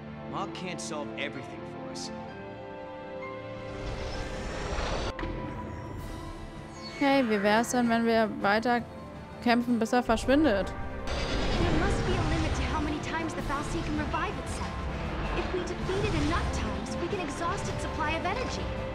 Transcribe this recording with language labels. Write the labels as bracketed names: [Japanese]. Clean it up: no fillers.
[English] Mark can't solve everything for us. [German] Hey, wie wär's denn, wenn wir weiter kämpfen, bis er verschwindet? [English] There must be a limit to how many times the Falci can revive itself. If we defeat it enough times, we can exhaust its supply of energy.